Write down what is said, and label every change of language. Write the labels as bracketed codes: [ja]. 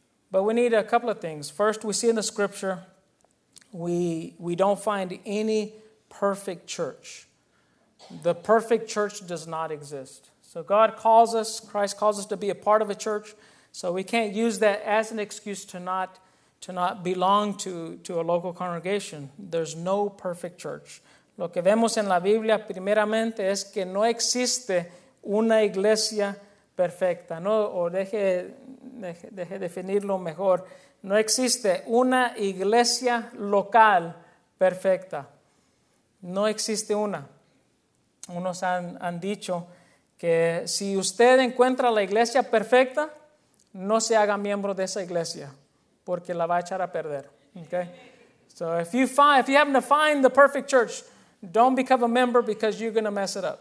[en] But we need a couple of things. First, we see in the scripture, we don't find any perfect church. The perfect church does not exist. So God calls us, Christ calls us to be a part of a church. So we can't use that as an excuse to not belong to a local congregation. There's no perfect church. [es] Lo que vemos en la Biblia primeramente es que no existe una iglesia perfecta, ¿no? O deje definirlo mejor. No existe una iglesia local perfecta. No existe una. Unos han dicho que si usted encuentra la iglesia perfecta, no se haga miembro de esa iglesia porque la va a echar a perder. [en] Okay? So if you happen to find the perfect church, don't become a member because you're going to mess it up.